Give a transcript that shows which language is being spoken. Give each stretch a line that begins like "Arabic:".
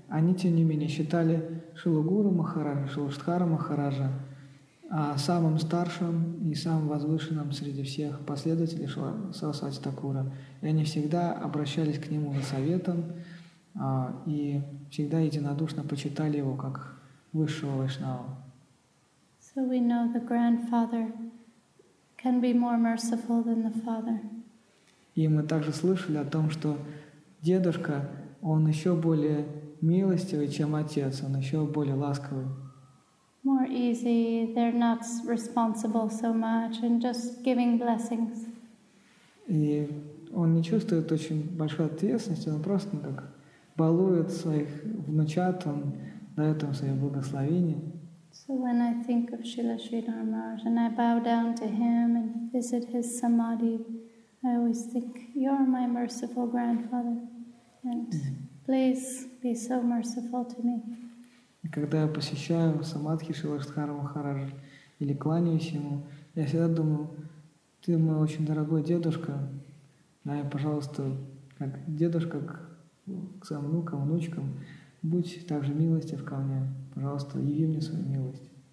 Russian: они, тем не менее, считали Шилугуру Махараджа, Шилуштхара Махараджа самым старшим и самым возвышенным среди всех последователей Сарасвати Такура. И они всегда обращались к нему за советом и всегда единодушно почитали его как высшего вайшнава.
English: So we know the grandfather can be more merciful than the father.
Russian: И мы также слышали о том, что дедушка, он еще более милостивый, чем отец, он еще более ласковый.
English: More easy, they're not responsible so much and just giving blessings.
Russian: И он не чувствует очень большой ответственности, он просто как балует своих внучат, он дает им свои благословения.
English: So when I think of Srila Sridhar Maharaj and I bow down to him and visit his samadhi, I always think, you're my merciful grandfather and please be so merciful to me.
Russian: И когда я посещаю самадхи Шрила Шридхара Махараджа или кланяюсь ему, я всегда думаю, ты мой очень дорогой дедушка, дай, пожалуйста, как дедушка к своим внукам, внучкам, будь также милостив ко мне, пожалуйста, яви мне свою милость.